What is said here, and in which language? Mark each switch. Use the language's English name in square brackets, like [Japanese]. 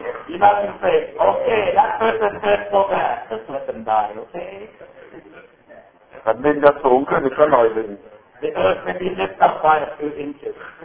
[English] You have to say, okay, that person hurt so bad, just let them die, okay? [Thai] แผ่นดินจะสูงขึ้นอีกสักหน่อยหนึ่ง [English] The earth may be lift up by a few inches